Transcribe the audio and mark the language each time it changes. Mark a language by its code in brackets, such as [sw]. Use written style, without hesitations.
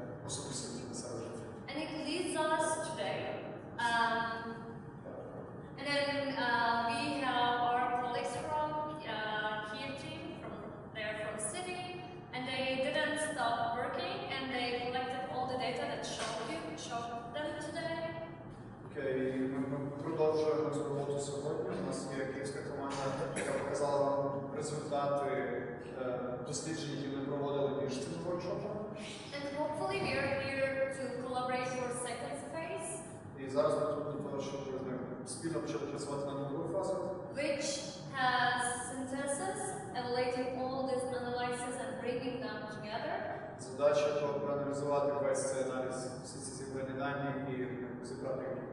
[en] And it leads us today. We have our colleagues from Kiev team, from city, and they didn't stop working and they collected all the data that showed them today. [uk] Окей, ми продовжуємо цю роботу сьогодні. У нас є київська команда, яка показала результати досліджень, які ми проводили між цим ворчопом. [en] And hopefully we are here to collaborate for second phase. [uk] І зараз ми тут до того, щоб спільно почали працювати на другу фазу. [en] Which has synthesis, evaluating all these analyses and bringing them together. [uk] Задача — проаналізувати весь цей аналіз, всі ці зібрані дані і зібрати.